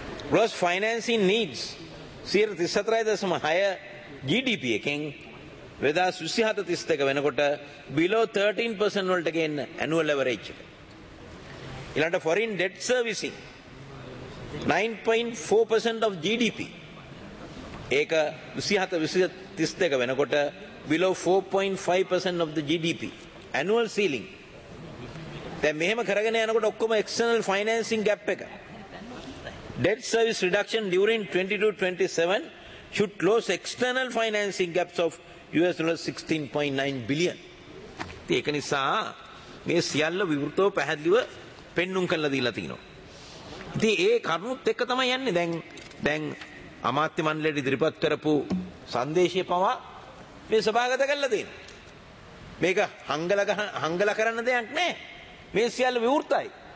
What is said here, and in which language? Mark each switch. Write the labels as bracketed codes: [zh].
[en] Gross financing needs 34.6 GDP [si] එකෙන් [en] 2027-32 [si] වෙනකොට [en] below 13% [si] වලට ගේන්න [en] annual average [si] එක. ඊළඟට [en] foreign debt servicing 9.4% of GDP. [si] ඒක [en] 27-32 [si] වෙනකොට [en] below 4.5% of the GDP annual ceiling. [si] දැන් මෙහෙම කරගෙන යනකොට ඔක්කොම [en] external financing gap [si] එක. [en] Debt service reduction during 22-27 should close external financing gaps of $16.9 billion. [si] ඒක නිසා මේ සියල්ල විවෘතව පැහැදිලිව පෙන්නුම් කරලා දීලා තිනවා. ඉතින් ඒ කරුණුත් එක්ක තමයි යන්නේ. දැන් අමාත්‍ය මණ්ඩලයේ ඉදිරිපත් කරපු සංදේශය පවා මේ සභාගත කරලා තියෙනවා. මේක හංගල කරන්න දෙයක් නෑ. මේ සියල්ල විවෘතයි.